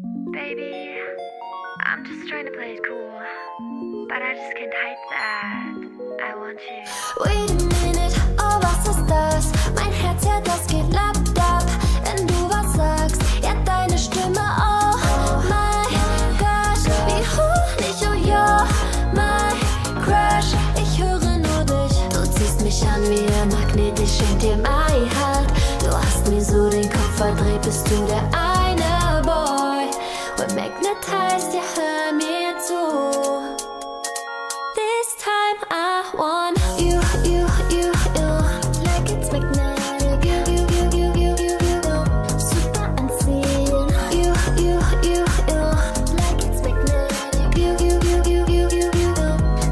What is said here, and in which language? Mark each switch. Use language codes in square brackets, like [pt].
[en] Baby, I'm just trying to play it cool, but I just can't hide that I want you. Wait a minute, [de] oh, was ist das? Mein Herz, ja, das geht lapp, lapp, wenn du was sagst. Ja, deine Stimme, [en] oh, my gosh, [de] wie Honig, [en] oh, yo, my crush, [de] ich höre nur dich. Du ziehst mich an wie ein Magnet, ich schenk dir mein Halt. Du hast mir so den Kopf verdreht, bist du der eine Boy. [en] We're magnetized, [de] ja, hör mir zu. [en] This time I want you, you, you, you. Like it's magnetic, you, you, you, you, you, you, you. [de] Super anziehend, [en] you, you, you, you. Like it's magnetic, you, you, you, you, you, you, you, you.